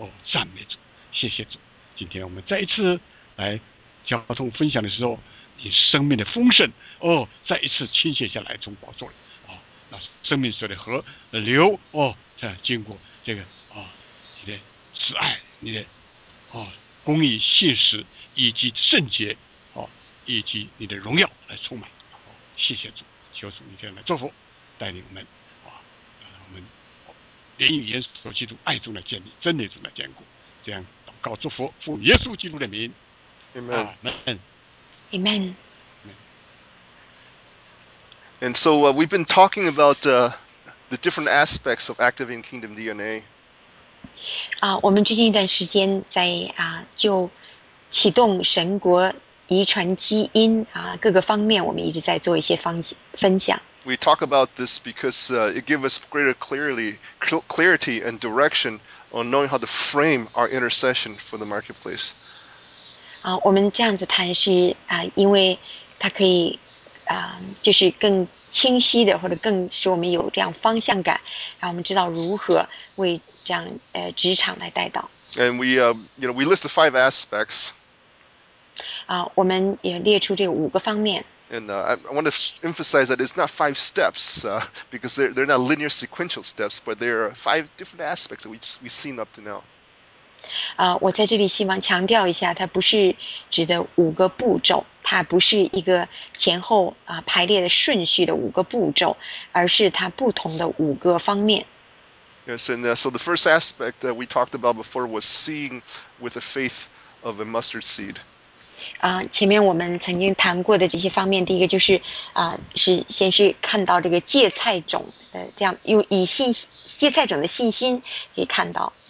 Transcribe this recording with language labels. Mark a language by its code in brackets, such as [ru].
[zh] 赞美主，谢谢主。今天我们再一次来交通分享的时候，你生命的丰盛再一次倾泻下来，从宝座里生命水的河流经过这个你的慈爱，你的公义信实以及圣洁以及你的荣耀来充满。谢谢主，求主你这样来祝福带领我们我们灵与言所基督爱中的建立，真理中的坚固，这样祷告祝福奉耶稣基督的名， [en] Amen. Amen. Amen. And so we've been talking about the different aspects of activating kingdom DNA. [zh] 我们最近一段时间在就启动神国遗传基因啊，各个方面我们一直在做一些分享。 [en] We talk about this because it gives us greater clarity and direction on knowing how to frame our intercession for the marketplace. [zh] 啊，我们这样子谈是啊，因为它可以啊，就是更清晰的，或者更使我们有这样方向感，让我们知道如何为这样职场来带祷。 [en] And we list the five aspects. [zh] 啊，我们也列出这五个方面。 [en] And I want to emphasize that it's not five steps, because they're not linear sequential steps, but there are five different aspects that we've seen up to now. [zh] 啊，我在这里希望强调一下，它不是指的五个步骤，它不是一个前后啊排列的顺序的五个步骤，而是它不同的五个方面。 [en] Yes, and so the first aspect that we talked about before was seeing with the faith of a mustard seed. [zh] 啊，前面我们曾经谈过的这些方面，第一个就是啊，是先是看到这个芥菜种的这样，用以信芥菜种的信心可以看到。